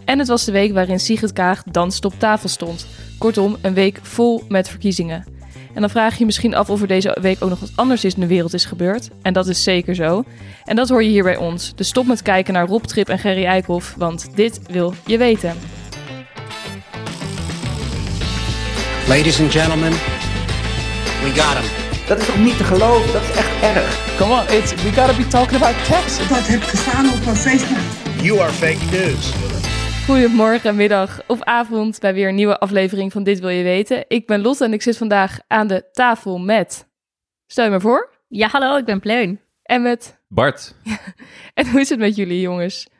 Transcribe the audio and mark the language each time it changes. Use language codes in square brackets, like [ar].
[nl] En het was de week waarin Sigrid Kaag danst op tafel stond. Kortom, een week vol met verkiezingen. En dan vraag je misschien af of er deze week ook nog wat anders is in de wereld is gebeurd. En dat is zeker zo. En dat hoor je hier bij ons. Dus stop met kijken naar Rob Trip en Gerry Eikhoff, want dit wil je weten. [en] Ladies and gentlemen, we got him. [nl] Dat is toch niet te geloven? Dat is echt erg. [en] Come on, it's, we gotta be talking about Texas. [nl] Dat heb ik gestaan op Facebook. [en] You are fake news. [nl] Goedemorgen, middag of avond bij weer een nieuwe aflevering van Dit Wil Je Weten. Ik ben Lotte en ik zit vandaag aan de tafel met... Stel je me voor? Ja, hallo, ik ben Pleun. En met... Bart. En hoe is het met jullie, jongens?